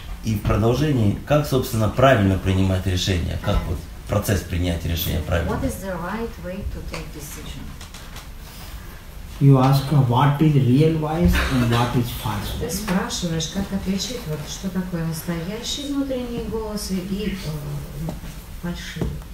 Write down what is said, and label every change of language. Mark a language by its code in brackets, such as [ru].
[ru] И в продолжении, как, собственно, правильно принимать решения? Как вот процесс принятия решения правильно? [en] What is the right way to take decision? You ask what is real voice and what is false voice. [ru] Ты спрашиваешь, как отличить, вот, что такое настоящий внутренний голос и фальшивый.